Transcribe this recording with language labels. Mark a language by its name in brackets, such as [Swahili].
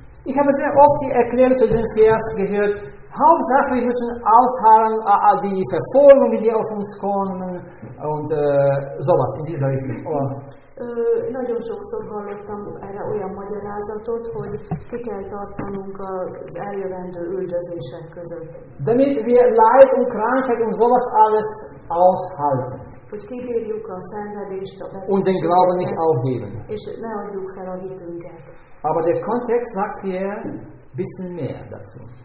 [German] Ich habe sehr oft die Erklärung zu dem Vers gehört. Hauptsache, wir müssen aushalten die Verfolgungen, die auf uns kommen und sowas in dieser Richtung. Oh. [Hungarian] Nagyon sokszor hallottam erre olyan magyarázatot, hogy ki kell tartanunk az eljövendő üldözések között. [German] Damit wir Leid und Krankheit und sowas alles aushalten. [Hungarian] Hogy kibírjuk a szenvedést, a betegséget. [German] Und den Glauben nicht aufgeben. [Hungarian] És ne adjuk fel a hitünket. [German] Aber der Kontext sagt hier bisschen mehr dazu.